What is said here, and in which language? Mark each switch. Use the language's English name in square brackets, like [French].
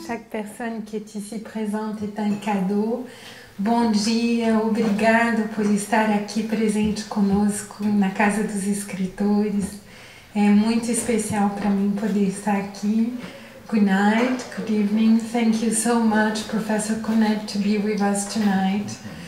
[French] personne qui est ici présente est un cadeau. [Portuguese] Bom dia, obrigado por estar aqui presente conosco na Casa dos Escritores. É muito especial para mim poder estar aqui. [English] Good night, good evening. Thank you so much, Professor Connett, to be with us tonight.